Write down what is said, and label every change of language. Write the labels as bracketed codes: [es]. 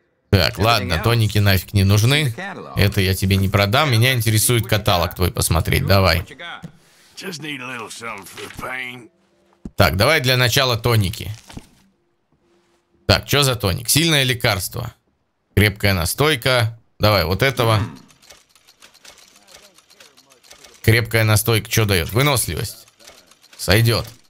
[ru] Так, ладно, тоники нафиг не нужны. Это я тебе не продам. Меня интересует каталог твой посмотреть. Давай. [en] Just need a little something for the pain. [ru] Так, давай для начала тоники. Так, что за тоник? Сильное лекарство. Крепкая настойка. Давай, вот этого. Крепкая настойка что дает? Выносливость. Сойдет.